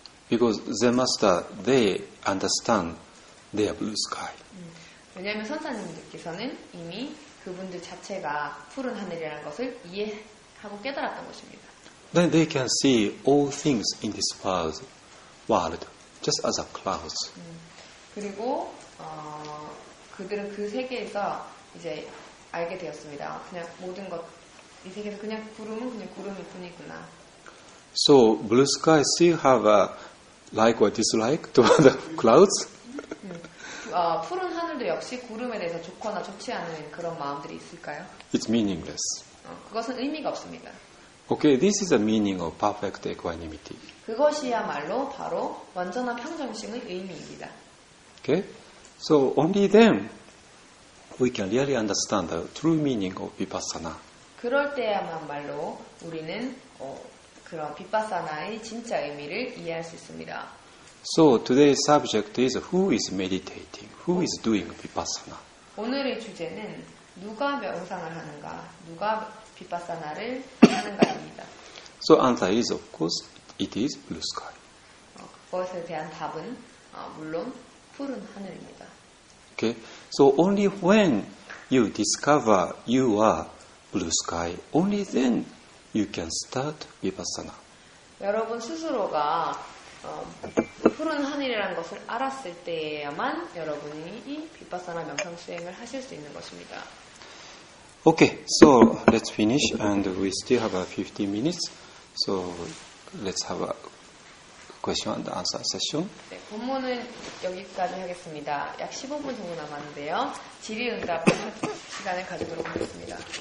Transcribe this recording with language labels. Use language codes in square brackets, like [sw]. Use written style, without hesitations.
[en] Because the master they understand their blue sky. [ko] 왜냐하면 선사님들께서는 이미 그분들 자체가 푸른 하늘이라는 것을 이해하고 깨달았던 것입니다. [en] Then they can see all things in this world just as a clouds. [ko] 그리고 그들은 그 세계에서 이제 알게 되었습니다. 그냥 모든 것 이 세계에서 그냥 구름은 그냥 구름일 뿐이구나. [en] So blue sky still have a like or dislike to other clouds? [ko] 푸른 하늘도 역시 구름에 대해서 좋거나 좋지 않은 그런 마음들이 있을까요? [en] It's meaningless. [ko] 그것은 의미가 없습니다. [en] Okay, this is the meaning of perfect equanimity. [ko] 그것이야말로 바로 완전한 평정심의 의미입니다. [en] Okay, so only then we can really understand the true meaning of vipassana. [ko] 그럴 때야말로 우리는 그런 비파사나의 진짜 의미를 이해할 수 있습니다. [en] So today's subject is who is meditating, who is doing vipassana. [ko] 오늘의 주제는 누가 명상을 하는가, 누가 비파사나를 하는가입니다. [en] So answer is of course it is blue sky. [ko] 그것에 대한 답은 물론 푸른 하늘입니다. [en] Okay. So only when you discover you are blue sky, only then you can start vipassana. [ko] 여러분 스스로가 푸른 하늘이라는 것을 알았을 때에야만 여러분이 이 vipassana 명상 수행을 하실 수 있는 것입니다. [en] Okay, so let's finish and we still have 15 minutes. So let's have a question and answer session. [ko] 네, 본문은 여기까지 하겠습니다. 약 15분 정도 남았는데요. 질의응답을 할 시간을 가지도록 하겠습니다.